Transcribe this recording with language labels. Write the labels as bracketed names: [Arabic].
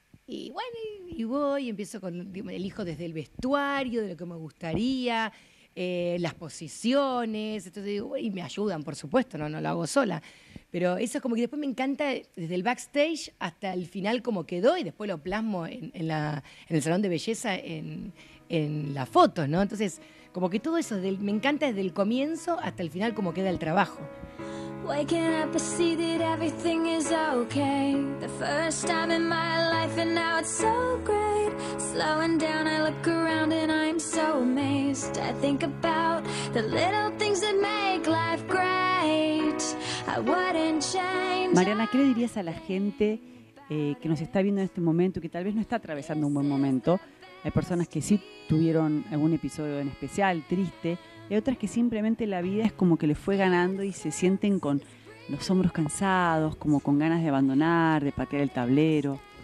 [Spanish] Y bueno, y voy, y empiezo con, digo, elijo desde el vestuario, de lo que me gustaría, las posiciones, entonces digo, y me ayudan, por supuesto, no lo hago sola. Pero eso es como que después me encanta, desde el backstage hasta el final como quedó, y después lo plasmo en el salón de belleza en las fotos, ¿no? Entonces, como que todo eso, me encanta desde el comienzo hasta el final como queda el trabajo. [English] Waking up, I see that everything is okay. The first time in my life and now it's so great. Slowing down, I look around and I'm so amazed. I think about the little things that make life great. I wouldn't change. [Spanish] Mariana, ¿qué le dirías a la gente que nos está viendo en este momento y que tal vez no está atravesando un buen momento? Hay personas que sí tuvieron algún episodio en especial, triste. Hay otras que simplemente la vida es como que le fue ganando y se sienten con los hombros cansados, como con ganas de abandonar, de patear el tablero.